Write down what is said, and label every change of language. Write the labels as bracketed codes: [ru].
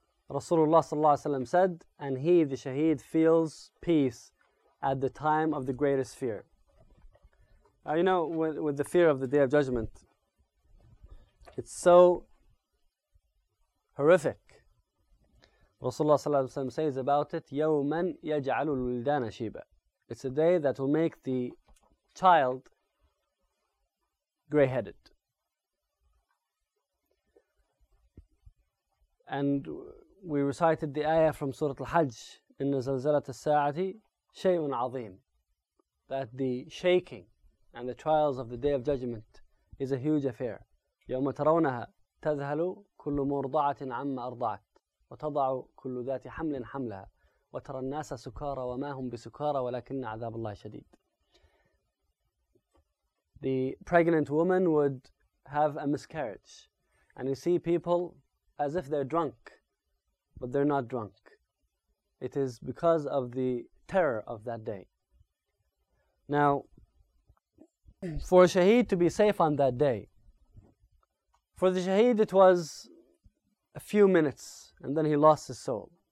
[en] Rasulullah sallallahu alaihi wasallam said, and he, the shaheed, feels peace at the time of the greatest fear. You know, with the fear of the Day of Judgment, it's so horrific. Rasulullah ﷺ says about it, [ar] يَوْمًا يَجْعَلُ الْوِلْدَانَ شِيبًا. [en] It's a day that will make the child gray-headed. And we recited the ayah from Surah Al-Hajj, [ar] إِنَّ زَلْزَلَةَ السَّاعَةِ شَيْءٌ عَظِيمٌ. [en] That the shaking and the trials of the Day of Judgment is a huge affair. [ar] يوم ترونها تذهل كل مرضعة عما أرضعت وتضع كل ذات حمل حملها وترى الناس سكارى وما هم بسكارى ولكن عذاب الله شديد. [en] The pregnant woman would have a miscarriage, and you see people as if they're drunk, but they're not drunk. It is because of the terror of that day. Now, for a shaheed to be safe on that day, for the shaheed, it was a few minutes, and then he lost his soul.